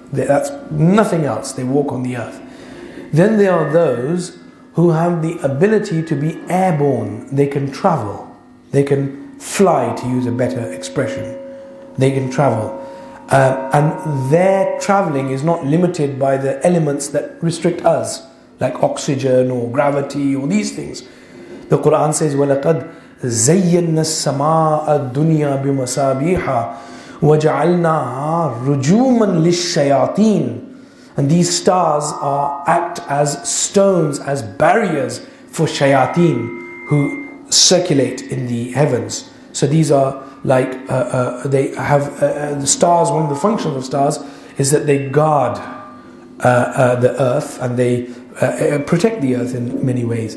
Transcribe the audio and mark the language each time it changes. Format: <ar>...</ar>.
<en>That's nothing else. They walk on the earth. Then there are those who have the ability to be airborne. They can travel. They can fly, to use a better expression. They can travel. And their traveling is not limited by the elements that restrict us, like oxygen or gravity or these things.</en> <ar>The Quran says, وَلَقَدْ زَيَّنَّ السَّمَاءَ الدُّنْيَا بِمَسَابِيحَا وَجَعَلْنَاهَا رُجُومًا لِلشَّيَاطِينَ.</ar> <en>And these stars act as stones, as barriers for shayateen who circulate in the heavens. So these are like, they have the stars, one of the functions of stars is that they guard the earth, and they protect the earth in many ways.</en>